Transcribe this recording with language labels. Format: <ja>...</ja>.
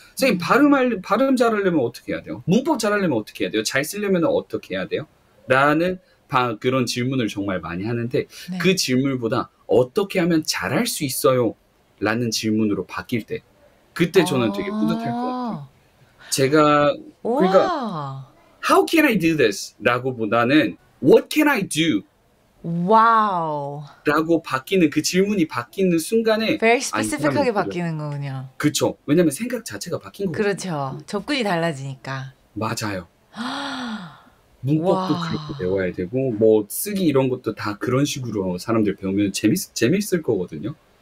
<ko>선생님, 발음 잘하려면 어떻게 해야 돼요? 문법 잘하려면 어떻게 해야 돼요? 잘 쓰려면 어떻게 해야 돼요? 라는 그런 질문을 정말 많이 하는데, 그 네. 질문보다 어떻게 하면 잘할 수 있어요? 라는 질문으로 바뀔 때, 그때 저는 되게 뿌듯할 것 같아요. 제가, 그러니까,</ko> <en>How can I do this?</en> <ko>라고 보다는,</ko> <en>What can I do?</en> <ko>와우. 라고 바뀌는 그 질문이 바뀌는 순간에</ko> <en>Very</en> <ko>아이 사람은 specific하게 뿌듯 바뀌는 거군요. 그쵸 왜냐면 생각 자체가 바뀐 거거든요 그렇죠. 접근이 달라지니까. 맞아요 와. 문법도 그렇게 배워야 되고 뭐 쓰기 이런 것도 다 그런 식으로 사람들 배우면 재밌을 거거든요</ko>